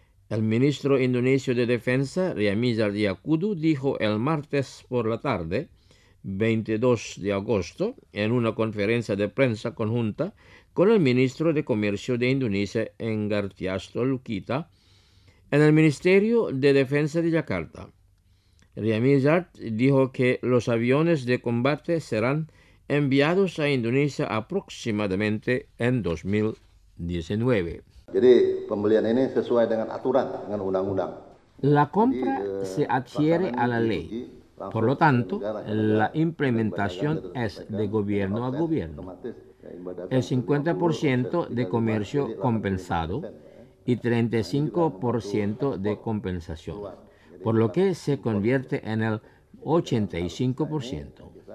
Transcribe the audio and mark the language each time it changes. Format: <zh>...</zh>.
<es>El ministro indonesio de Defensa, Riamizar Yakudu, dijo el martes por la tarde, 22 de agosto, en una conferencia de prensa conjunta con el ministro de Comercio de Indonesia, Enggartiasto Lukita, en el Ministerio de Defensa de Jakarta. Riamizar dijo que los aviones de combate serán enviados a Indonesia aproximadamente en 2019.</es> <id>Jadi pembelian ini sesuai dengan aturan, dengan undang-undang.</id> <es>La compra se adhiere a la ley. Por lo tanto, la implementación es de gobierno a gobierno. El 50% de comercio compensado y 35% de compensación, por lo que se convierte en el 85%.</es>